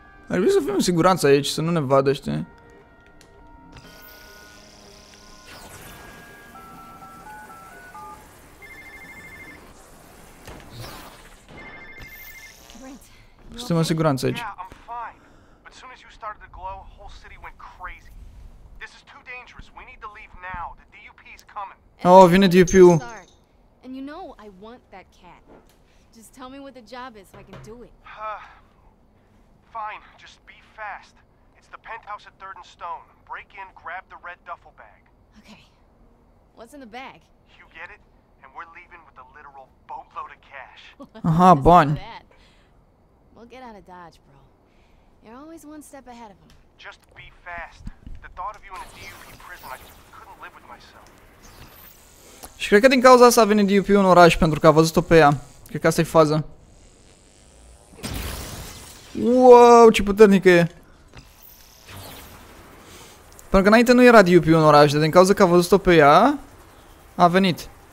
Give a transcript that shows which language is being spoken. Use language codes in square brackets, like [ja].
[ro] Ar trebui să fim în siguranță aici, să nu ne vadă, știi? Suntem în siguranță aici. [en] Yeah, I'm fine. But soon as you started to glow, whole city went crazy. This is too dangerous. We need to leave now. The DUP is coming. [ro] Oh, vine DUP-ul. [en] And you know I want that cat. Just tell me what the job is so I can do it. Fine, just be fast. It's the penthouse at 3rd and Stone. Break in, grab the red duffel bag. Okay. What's in the bag? You get it? And we're leaving with a literal boatload of cash. [ro] Aha, bun. [en] We'll get out of Dodge, bro. You're always one step ahead of him. Just be fast. The thought of you in a DUP prison, I just couldn't live with myself. [ro] Și cred că din cauza asta a venit DUP în oraș, pentru că a văzut-o pe ea. Cred că asta e faza. Wow, ce puternică e. Pentru că înainte nu era DUP în oraș, dar din cauza că a văzut-o pe ea, a venit.